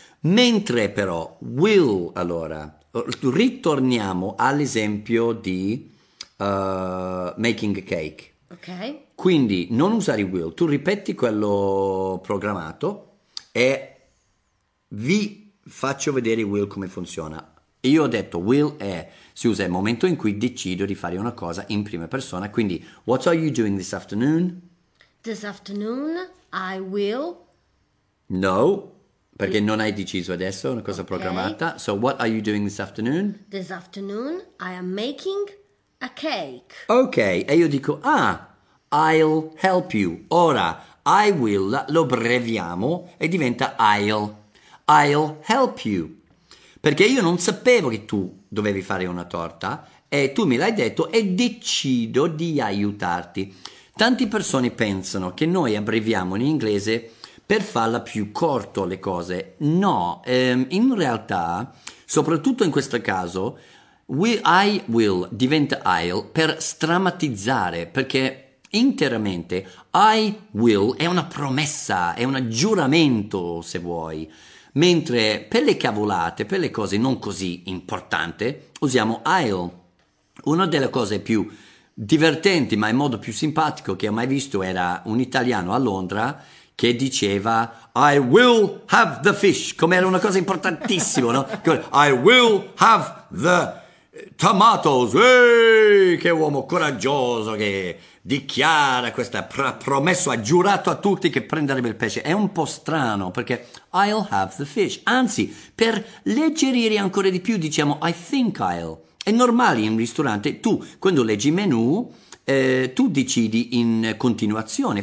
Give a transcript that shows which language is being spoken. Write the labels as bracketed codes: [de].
[it] Mentre però will, allora ritorniamo all'esempio di [en] making a cake. Ok. [it] Quindi non usare will, tu ripeti quello programmato e vi faccio vedere will come funziona. Io ho detto will è, si usa il momento in cui decido di fare una cosa in prima persona. [en] Quindi what are you doing this afternoon? This afternoon I will. [it] No, perché non hai deciso adesso una cosa, okay, programmata. [en] So what are you doing this afternoon? This afternoon I am making a cake. [it] Ok, e io dico ah, [en] I'll help you. [it] Ora I will lo abbreviamo e diventa I'll. [en] I'll help you. [it] Perché io non sapevo che tu dovevi fare una torta e tu me l'hai detto e decido di aiutarti. Tante persone pensano che noi abbreviamo in inglese per farla più corto le cose. No, in realtà, soprattutto in questo caso, I will diventa I'll per strammatizzare, perché interamente I will è una promessa, è un giuramento se vuoi. Mentre per le cavolate, per le cose non così importanti, usiamo I'll. Una delle cose più divertenti, ma in modo più simpatico, che ho mai visto era un italiano a Londra che diceva [en] I will have the fish, [it] come era una cosa importantissima, no? [en] I will have the tomatoes. [it] Ehi, che uomo coraggioso che dichiara questa promessa, ha giurato a tutti che prenderebbe il pesce. È un po' strano perché [en] I'll have the fish, [it] anzi per leggerire ancora di più diciamo [en] I think I'll. [it] È normale in ristorante, tu quando leggi il menù tu decidi in continuazione.